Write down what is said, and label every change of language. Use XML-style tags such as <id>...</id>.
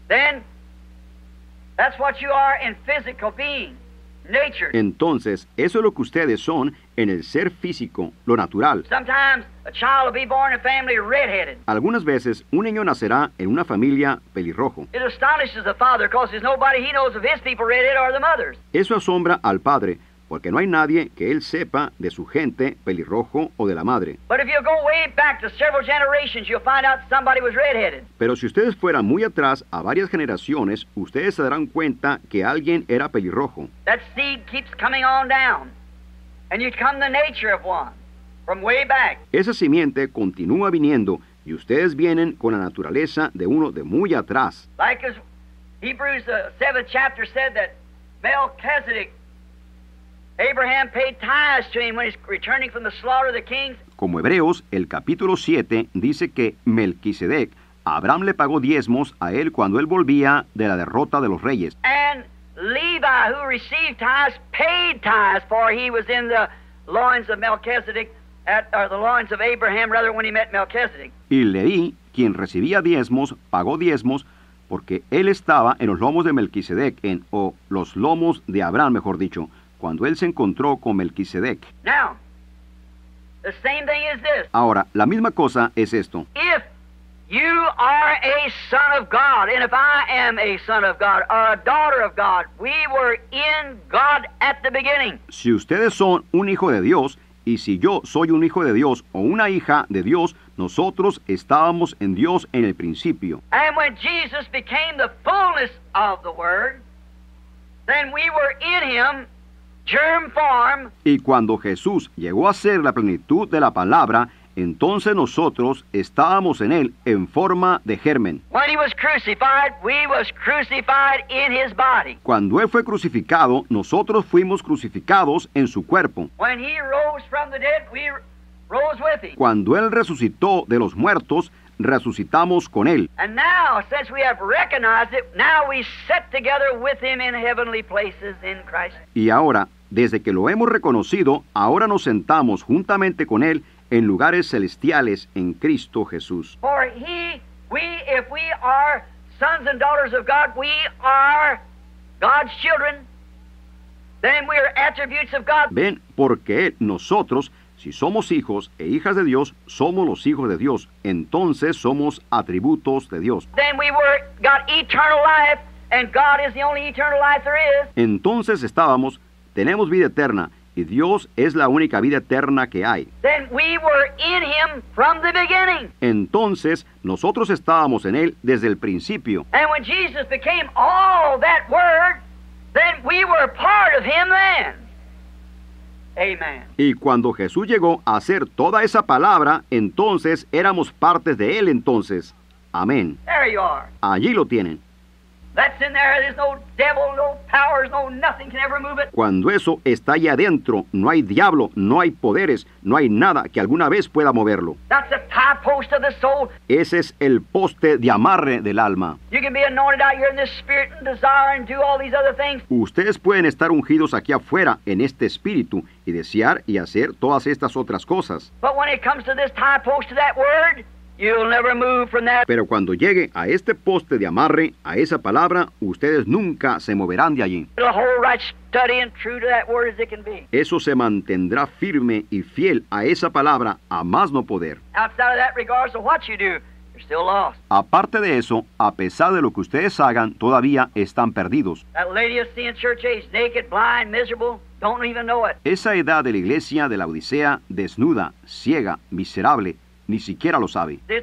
<en>Then, that's what you are in physical being, nature.</en> <es>Entonces, eso es lo que ustedes son en el ser físico, lo natural.</es> <en>Sometimes a child will be born in a family redheaded.</en> <es>Algunas veces, un niño nacerá en una familia pelirrojo.</es> <en>It astonishes the father because there's nobody he knows of his people redhead or the mothers.</en> <es>Eso asombra al padre porque no hay nadie que él sepa de su gente pelirrojo o de la madre.</es> <en>But if you go way back to several generations, you'll find out somebody was redheaded.</en> <es>Pero si ustedes fueran muy atrás a varias generaciones, ustedes se darán cuenta que alguien era pelirrojo.</es> <en>That seed keeps coming on down, and you come the nature of one from way back.</en> <es>Esa simiente continúa viniendo y ustedes vienen con la naturaleza de uno de muy atrás.</es> <en>Like as Hebrews 7th chapter said that Melchizedek, Abraham paid tithes to him when he's returning from the slaughter of the kings.</en> <es>Como Hebreos, el capítulo 7 dice que Melquisedec, Abraham le pagó diezmos a él cuando él volvía de la derrota de los reyes.</es> <en>And Levi, who received tithes, paid tithes, for he was in the loins of Melchizedek, the loins of Abraham, rather, when he met Melchizedek.</en> <es>Y Leví, quien recibía diezmos, pagó diezmos, porque él estaba en los lomos de Melquisedec, los lomos de Abraham, mejor dicho, cuando él se encontró con Melquisedec.</es> <en>Now, the same thing is this.</en> <es>Ahora, la misma cosa es esto.</es> <en>If you are a son of God, and if I am a son of God, or a daughter of God, we were in God at the beginning.</en> <es>Si ustedes son un hijo de Dios, y si yo soy un hijo de Dios o una hija de Dios, nosotros estábamos en Dios en el principio.</es> <en>And when Jesus became the fullness of the word, then we were in him. Germ form.</en> <es>Y cuando Jesús llegó a ser la plenitud de la palabra, entonces nosotros estábamos en él en forma de germen.</es> <en>When he was crucified, we was crucified in his body.</en> <es>Cuando él fue crucificado, nosotros fuimos crucificados en su cuerpo.</es> <en>When he rose from the dead, we rose with him.</en> <es>Cuando él resucitó de los muertos, resucitamos con él.</es> <en>And now, since we have recognized it, now we sit together with him in heavenly places in Christ.</en> <es>Y ahora, desde que lo hemos reconocido, ahora nos sentamos juntamente con él en lugares celestiales en Cristo Jesús.</es> <en>For he, we, if we are sons and daughters of God, we are God's children. Then we are attributes of God.</en> <es>Ven, porque él, nosotros, si somos hijos e hijas de Dios, somos los hijos de Dios. Entonces somos atributos de Dios.</es> <en>Then we were got eternal life, and God is the only eternal life there is.</en> <es>Entonces estábamos, tenemos vida eterna, y Dios es la única vida eterna que hay.</es> <en>Then we were in him from the beginning.</en> <es>Entonces nosotros estábamos en él desde el principio.</es> <en>And when Jesus became all that word, then we were part of him then. Amen.</en> <es>Y cuando Jesús llegó a hacer toda esa palabra, entonces éramos partes de él entonces. Amén.</es> <en>There you are.</en> <es>Allí lo tienen.</es> <en>That's in there. There's no devil, no powers, no nothing can ever move it.</en> <es>Cuando eso está ahí adentro, no hay diablo, no hay poderes, no hay nada que alguna vez pueda moverlo.</es> <en>That's the tie post of the soul.</en> <es>Ese es el poste de amarre del alma.</es> <en>You can be anointed out here in this spirit and desire and do all these other things.</en> <es>Ustedes pueden estar ungidos aquí afuera en este espíritu y desear y hacer todas estas otras cosas.</es> <en>But when it comes to this tie post of that word, you'll never move from that.</en> <es>Pero cuando llegue a este poste de amarre, a esa palabra, ustedes nunca se moverán de allí.</es> <en>It'll hold right steady and true to that word as it can be.</en> <es>Eso se mantendrá firme y fiel a esa palabra a más no poder.</es> <en>Outside of that, regardless of what you do, you're still lost.</en> <es>Aparte de eso, a pesar de lo que ustedes hagan, todavía están perdidos.</es> <en>That lady you see in church age, naked, blind, miserable, don't even know it.</en> <es>Esa edad de la iglesia de la Odisea, desnuda, ciega, miserable, ni siquiera lo sabe.</es>